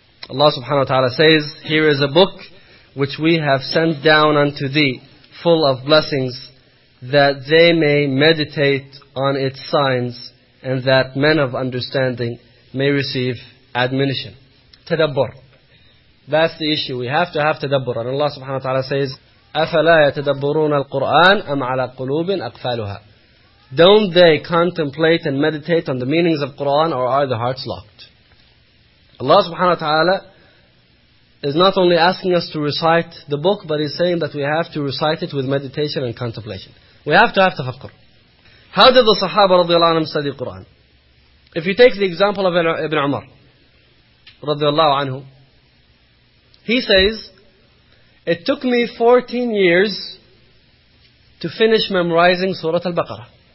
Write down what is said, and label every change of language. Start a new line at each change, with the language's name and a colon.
English: Allah subhanahu wa ta'ala says, here is a book which we have sent down unto thee, full of blessings, that they may meditate on its signs, and that men of understanding may receive admonition. Tadabbur. That's the issue. We have to have tadabbur. And Allah subhanahu wa ta'ala says,
Arabic: أَفَلَا يَتَدَبُّرُونَ الْقُرْآنَ أَمْ عَلَى قُلُوبٍ أَقْفَالُهَا.
English: Don't they contemplate and meditate on the meanings of Quran, or are the hearts locked? Allah subhanahu wa ta'ala is not only asking us to recite the book, but he's saying that we have to recite it with meditation and contemplation. We have to have tafakkur. How did the Sahaba radiallahu anhum study Quran? If you take the example of Ibn Umar radiallahu anhu, he says, it took me 14 years to finish memorizing Surah Al-Baqarah.